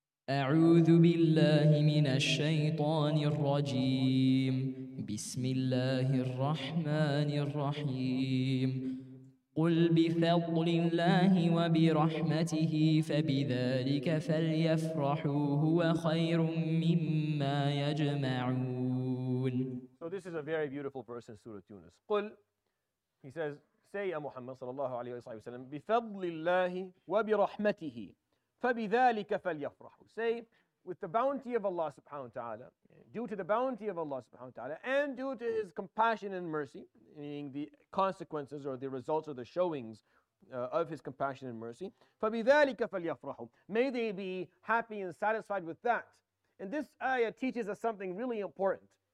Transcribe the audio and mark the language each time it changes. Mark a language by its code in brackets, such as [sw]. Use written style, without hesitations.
[ar] أعوذ بالله من الشيطان الرجيم بسم الله الرحمن الرحيم قل بفضل الله وبرحمته فبذلك فليفرحوا هو خير مما يجمعون. [en] So this is a very beautiful verse in Surah Yunus. [ar] قل, [en] he says, say [ar] يا محمد صلى الله عليه وسلم بفضل الله وبرحمته فَبِذَٰلِكَ فَلْيَفْرَحُوا. [en] Say, with the bounty of Allah subhanahu wa ta'ala, due to the bounty of Allah subhanahu wa ta'ala, and due to His compassion and mercy, meaning the consequences or the results or the showings of His compassion and mercy, [ar] فَبِذَٰلِكَ فَلْيَفْرَحُوا. [en] May they be happy and satisfied with that. And this ayah teaches us something really important.